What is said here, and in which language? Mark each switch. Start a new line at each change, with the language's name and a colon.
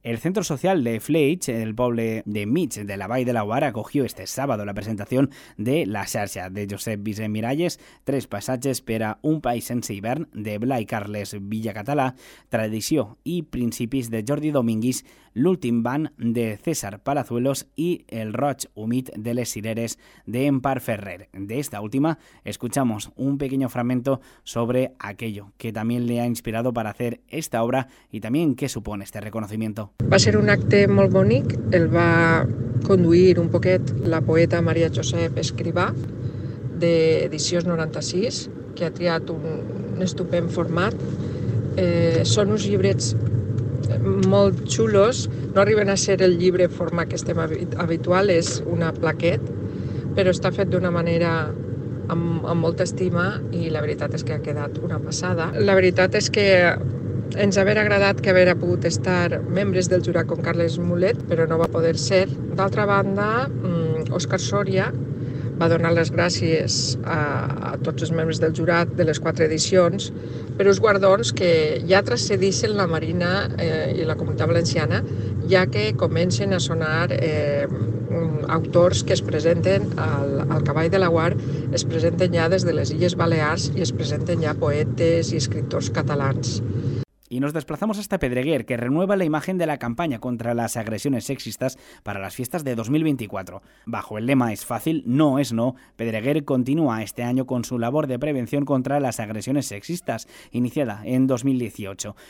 Spanish: El centro social de Flix,
Catalan: el poble de Mig de la Vall de l'Aguar,
Spanish: acogió este sábado la presentación de La Xarxa de Josep Vicent Miralles, Tres passatges per a un país sense hivern de Blai Carles Villacatalá, Tradició i principis de Jordi Domínguez, L'últim ban de César Palazuelos y El roig humit de les cireres de Empar Ferrer. De esta última escuchamos un pequeño fragmento sobre aquello que también le ha inspirado para hacer esta obra y también qué supone este reconocimiento.
Catalan: Va ser un acte molt bonic, el va conduir un poquet la poeta Maria Josep Escrivà de Edicions 96, que ha triat un estupend format. Són uns llibrets molt xulos, no arriben a ser el llibre forma que estem habitual, és una plaquet, però està fet d'una manera amb molta estima i la veritat és que ha quedat una passada. La veritat és que ens haver agradat que haver pogut estar membres del jurat com Carles Mulet, però no va poder ser. D'altra banda, Òscar Sòria va donar les gràcies a tots els membres del jurat de les 4 edicions per uns guardons que ja transcedeixen la Marina i la Comunitat Valenciana, ja que comencen a sonar autors que es presenten al Cavall de l'Aguar, es presenten ja des de les Illes Balears i es presenten ja poetes i escriptors catalans.
Spanish: Y nos desplazamos hasta Pedreguer, que renueva la imagen de la campaña contra las agresiones sexistas para las fiestas de 2024. Bajo el lema "Es fácil, no es no", Pedreguer continúa este año con su labor de prevención contra las agresiones sexistas, iniciada en 2018.